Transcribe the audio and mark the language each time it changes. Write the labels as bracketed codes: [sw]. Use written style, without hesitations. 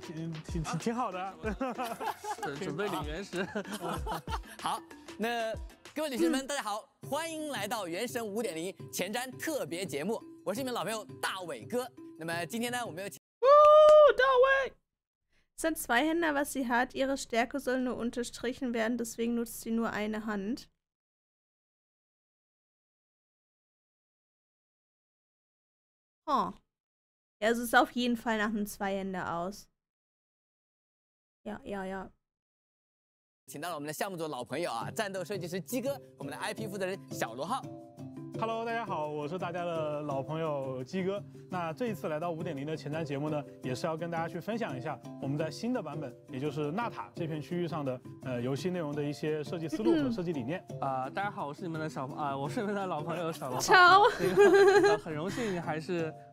[zh] Ziemlich 各位女士们，大家好，欢迎来到《原神5.0前瞻》特别节目。我是你们老朋友大伟哥。那么今天呢，我们又请。哦，大伟。 [de] Es sind zwei Hände, was sie hat. Ihre Stärke soll nur unterstrichen werden, deswegen nutzt sie nur eine Hand. Oh. Ja, es ist auf jeden Fall nach einem Zweihände aus. Ja. [zh] 请到了我们的项目组老朋友啊，战斗设计师鸡哥，我们的 IP 负责人小罗浩。Hello，大家好，我是大家的老朋友鸡哥。那这一次来到 5.0 的前瞻节目呢，也是要跟大家去分享一下我们在新的版本，也就是纳塔这片区域上的游戏内容的一些设计思路和设计理念。大家好，我是你们的老朋友小罗浩。超。很荣幸还是。